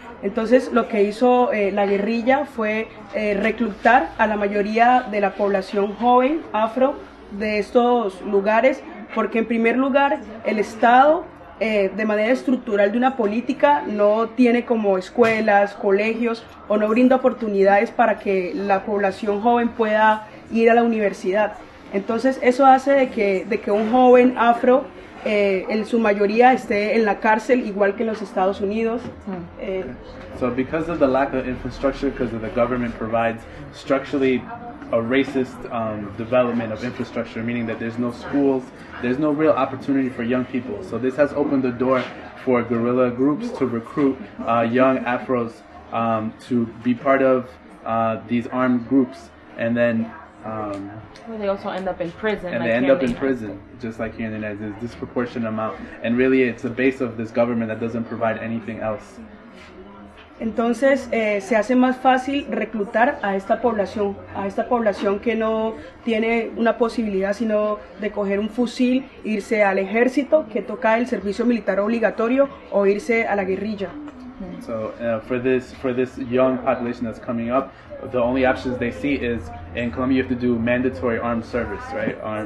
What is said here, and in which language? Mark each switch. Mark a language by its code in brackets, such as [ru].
[es] Entonces, lo que hizo la guerrilla fue reclutar a la mayoría de la población joven afro de estos lugares, porque en primer lugar, el Estado, de manera estructural de una política, no tiene como escuelas, colegios, o no brinda oportunidades para que la población joven pueda ir a la universidad. Entonces, eso hace de que un joven afro, en su mayoría, esté en la cárcel, igual que en los Estados Unidos. [en] So because of the lack of infrastructure, because of the government provides structurally a racist development of infrastructure, meaning that there's no schools, there's no real opportunity for young people. So this has opened the door for guerrilla groups to recruit young Afros to be part of these armed groups. And then well, they also end up in prison. And like they end up in prison, just like here in the United States, disproportionate amount. And really, it's the base of this government that doesn't provide anything else. [es] Entonces, se hace más fácil reclutar a esta población que no tiene una posibilidad sino de coger un fusil, irse al ejército, que toca el servicio militar obligatorio, o irse a la guerrilla. [en] So, for this young population that's coming up, the only options they see is, in Colombia you have to do mandatory armed service, right?